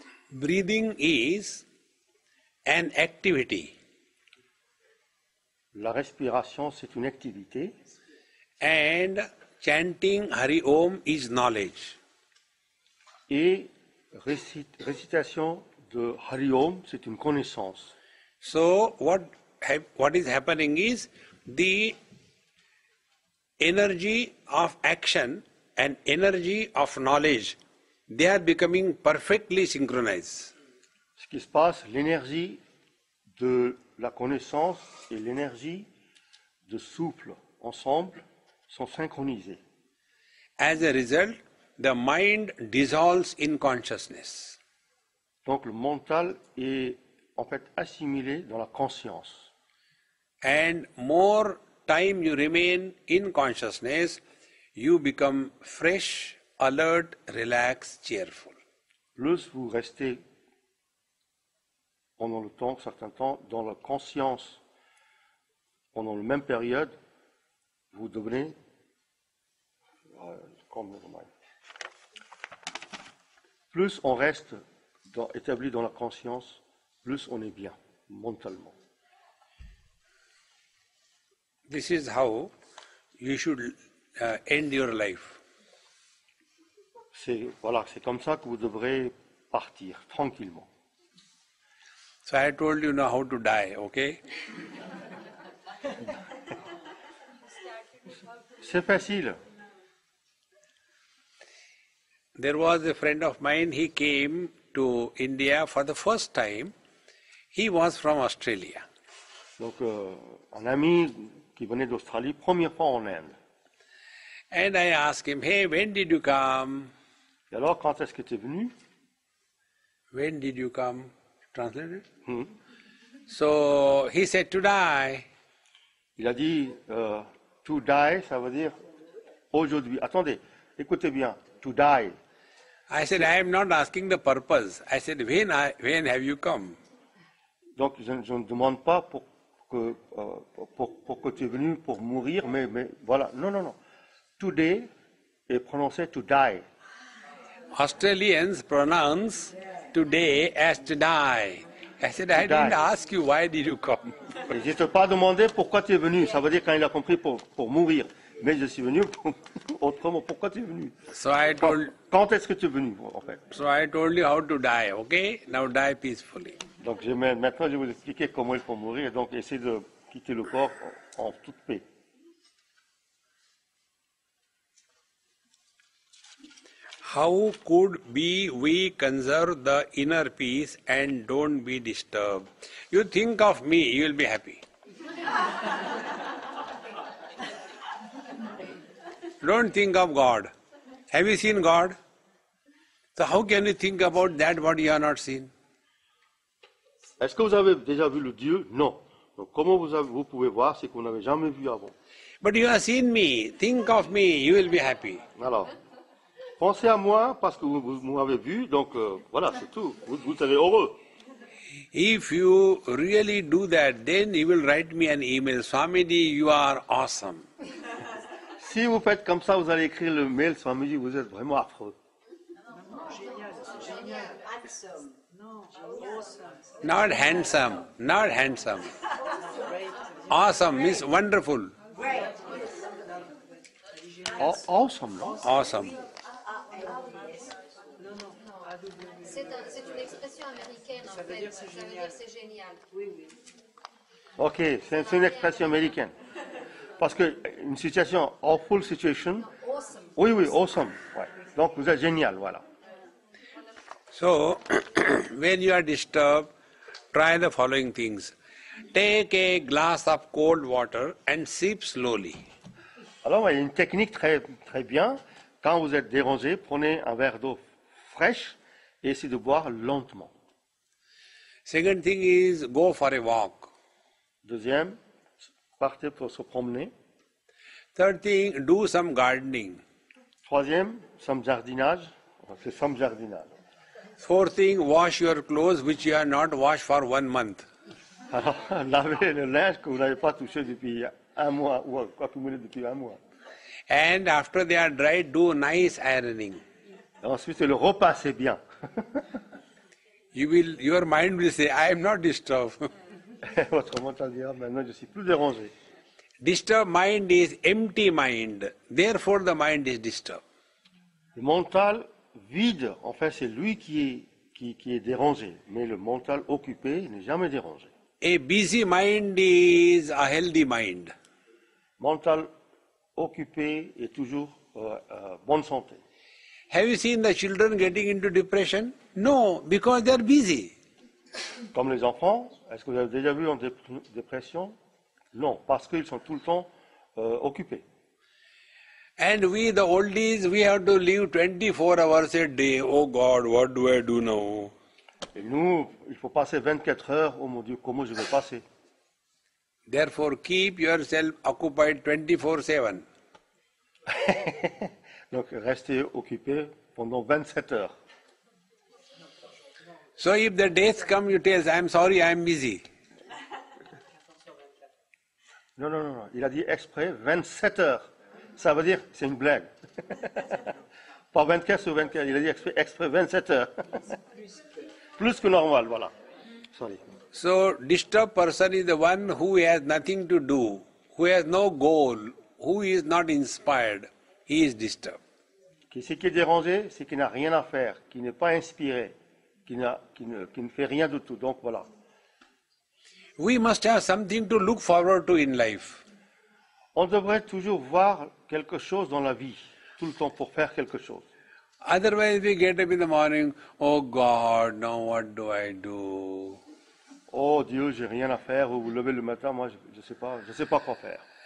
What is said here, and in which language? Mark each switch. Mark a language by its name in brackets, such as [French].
[English] Breathing is an activity. [French] La respiration, c'est une activité. [English] And chanting Hari Om is knowledge. [French] Et récitation de Hari Om, c'est une connaissance. [English] So what is happening is the energy of action and energy of knowledge, they are becoming perfectly synchronized. [French] Ce qui se passe, l'énergie de la connaissance et l'énergie de souple ensemble sont synchronisées. [English] As a result, the mind dissolves in consciousness. [French] Donc le mental est en fait assimilé dans la conscience. [English] And more time you remain in consciousness, you become fresh, alert, relaxed, cheerful. [French] Plus vous restez pendant le temps, certain temps, dans la conscience, pendant la même période, vous devenez comme le mind. Plus on reste établi dans la conscience, plus on est bien, mentalement. [English] This is how you should end your life. [French] C'est comme ça que vous devrez partir tranquillement. [English] So I told you now how to die, okay? [French] C'est facile. [English] There was a friend of mine, he came to India for the first time. He was from Australia. [French] Donc un ami qui venait d'Australie, première fois en Inde. [English] And I asked him, hey, when did you come? [French] Et alors, quand est-ce que tu es venu? [English] When did you come? Translated? So, he said, to die. [French] Il a dit, [English] to die, [French] ça veut dire aujourd'hui. Attendez, écoutez bien, [English] to die. I said, I am not asking the purpose. I said, when have you come? [French] Donc, je ne demande pas pour que tu es venu pour mourir, mais voilà. Non. Today est prononcé [English] to die. Australians pronounce today as to die. I said, I didn't ask you why did you come. [French] Je ne t'ai pas demandé pourquoi tu es venu. Ça veut dire quand il a compris pour mourir. Mais je suis venu autrement. Pourquoi tu es venu? Quand est-ce que tu es venu, en fait? [English] So I told you how to die, okay? Now die peacefully. [French] Donc maintenant, je vais vous expliquer comment il faut mourir. Donc, essayez de quitter le corps en toute paix. [English] How could we conserve the inner peace and don't be disturbed? You think of me, you will be happy. Don't think of God. Have you seen God? So how can you think about that what you have not seen? [French] Est-ce que vous avez déjà vu le Dieu? Non. Donc comment vous pouvez voir ce que vous n'avez jamais vu avant? [English] But you have seen me. Think of me. You will be happy. [French] Alors, pensez à moi parce que vous m'avez vu. Donc voilà, c'est tout. Vous serez heureux. [English] If you really do that, then you will write me an email. Swamiji, you are awesome. [French] Si vous faites comme ça, vous allez écrire le mail. Swamiji, vous êtes vraiment affreux. [English] Not handsome, not handsome. Awesome, means wonderful. Awesome, no? Awesome. [French] C'est une expression américaine, en fait. Ça veut dire c'est génial. Ok, c'est une expression américaine. Parce que une situation, [English] awful situation. Awesome. [French] Oui, awesome. Ouais. Donc vous êtes génial, voilà. [English] So, when you are disturbed, try the following things. Take a glass of cold water and sip slowly. [French] Alors, il y a une technique très, très bien. Quand vous êtes dérangé, prenez un verre d'eau fraîche et essayez de boire lentement. [English] Second thing is, go for a walk. [French] Deuxième, partez pour se promener. [English] Third thing, do some gardening. [French] Troisième, some jardinage. C'est some jardinage. [English] Fourth thing, wash your clothes which you have not washed for 1 month. [French] Lavez le linge que vous n'avez pas touché depuis un mois ou accumulé depuis un mois. [English] And after they are dry, do nice ironing. [French] Ensuite, le repas, c'est bien. [English] Your mind will say, I am not disturbed. [French] Votre mental dira, maintenant, je ne suis plus dérangé. [English] Disturbed mind is empty mind. Therefore, the mind is disturbed. [French] Le mental vide, en fait, c'est lui qui est dérangé. Mais le mental occupé n'est jamais dérangé. [English] A busy mind is a healthy mind. [French] Mental occupé est toujours bonne santé. [English] Have you seen the children getting into depression? No, because they are busy. [French] Comme les enfants, est-ce que vous avez déjà vu en dépression? Non, parce qu'ils sont tout le temps occupés. [English] And we, the oldies, we have to live 24 hours a day. Oh God, what do I do now? [French] Et nous, il faut passer 24 heures. Oh mon Dieu, comment je vais passer? [English] Therefore, keep yourself occupied 24/7. [French] Donc, restez occupé pendant 27 heures. [English] So if the death comes, you tell, I'm sorry, I'm busy. [French] Non. Il a dit exprès 27 heures. Ça veut dire, c'est une blague. Pas 24 sur 24, il a dit exprès 27 heures. Plus que normal, voilà. Sorry. [English] So, disturbed person is the one who has nothing to do, who has no goal, who is not inspired, he is disturbed. [French] Ce qui est dérangé, c'est qu'il n'a rien à faire, qu'il n'est pas inspiré, qu'il ne fait rien du tout. Donc voilà. [English] We must have something to look forward to in life. [French] On devrait toujours voir quelque chose dans la vie, tout le temps pour faire quelque chose. [English] Otherwise, we get up in the morning, oh God, now what do I do? [French] Oh Dieu, j'ai rien à faire. Vous vous levez le matin, moi je sais pas quoi faire.